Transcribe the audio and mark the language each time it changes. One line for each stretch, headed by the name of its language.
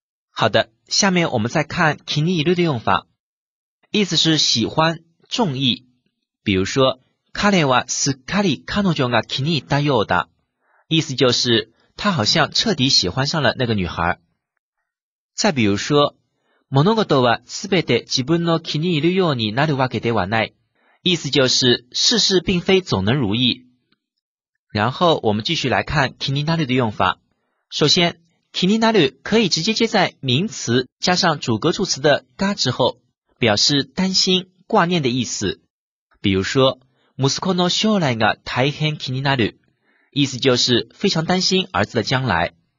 Chinese: 好的，下面我们再看気に入る的用法，意思是喜欢、中意。比如说，
Japanese: 彼はすっかり彼女が気に入ったようだ，
Chinese: 意思就是他好像彻底喜欢上了那个女孩。再比如说，
Japanese: 物事はすべて自分の気に入るようになるわけではない，
Chinese: 意思就是事事并非总能如意。然后我们继续来看気になる的用法。首先，気になる可以直接接在名词加上主格助词的が之后，表示担心、挂念的意思。比如说，
Japanese: 息子の将来が大変気になる，
Chinese: 意思就是非常担心儿子的将来。